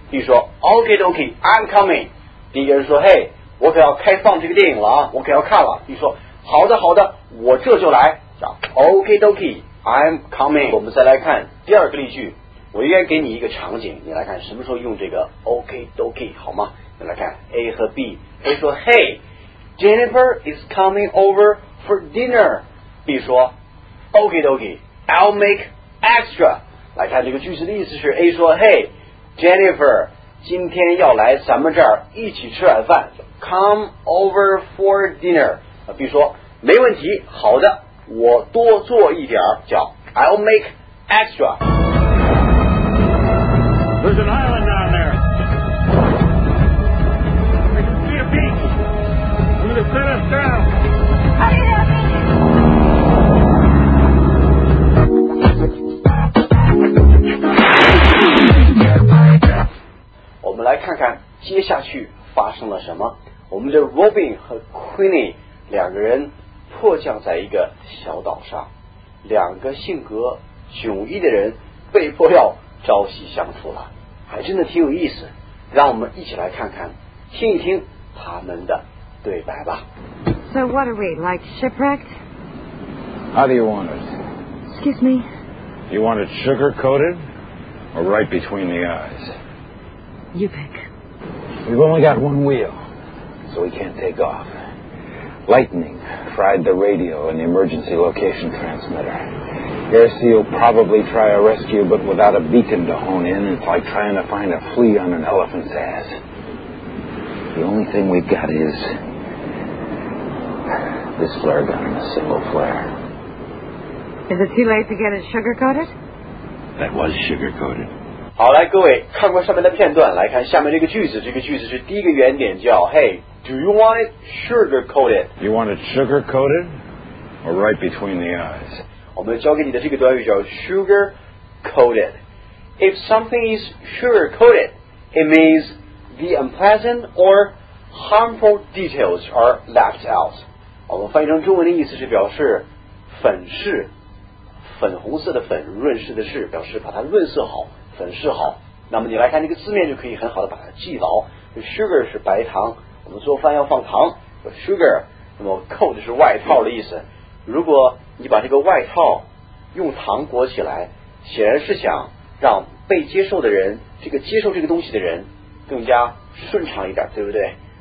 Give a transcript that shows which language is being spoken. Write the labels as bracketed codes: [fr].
[zh] B 说 [en] ，Okie dokie，I'm coming。 [zh] B 就是说 ， [en] Hey。 [zh] 我可要开放这个电影了啊，我可要看了。你说好的好的，我这就来。叫 [en] Okie dokie, I'm coming。 [zh] 我们再来看第二个例句，我应该给你一个场景，你来看什么时候用这个 Okie dokie 好吗？你来看 A 和 B， A 说 [en] Hey Jennifer is coming over for dinner。 B 说 Okie dokie, I'll make extra。 [zh] 来看这个句子的意思是 A 说 [en] Hey [zh] Jennifer 今天要来咱们这儿一起吃晚饭， [en] Come over for dinner. [zh] B 说没问题，好的，我多做一点儿，叫 [en] I'll make extra. There's an island down there. I can see a beach. I'm gonna set us down. Hurry up. [zh] 我们来看看接下去发生了什么。我们的 Robin 和 Queenie 两个人迫降在一个小岛上，两个性格迥异的人被迫要朝夕相处了，还真的挺有意思。让我们一起来看看，听一听他们的对白吧。 [en] So what are we, like shipwrecked? How do you want it? Excuse me? You want it sugar-coated or right between the eyes? You pick. We've only got one wheel. So we can't take off. Lightning fried the radio and the emergency location transmitter. Air Seal probably try a rescue, but without a beacon to hone in, it's like trying to find a flea on an elephant's ass. The only thing we've got is this flare gun and a single flare. Is it too late to get it sugar-coated? That was sugar-coated. [zh] 好，来各位看过上面的片段，来看下面这个句子。这个句子是第一个原点叫 [en] Hey, do you want it sugar coated? You want it sugar coated or right between the eyes? [zh] 我们教给你的这个短语叫 sugar coated. [en] If something is sugar coated, it means the unpleasant or harmful details are left out. [zh] 我们翻译成中文的意思是表示粉饰、粉红色的粉，润饰的饰，表示把它润色好，粉饰好。那么你来看这个字面就可以很好的把它记牢。Sugar 是白糖，我们做饭要放糖 Sugar， 那么 coat 是外套的意思。如果你把这个外套用糖裹起来，显然是想让被接受的人，这个接受这个东西的人更加顺畅一点，对不对？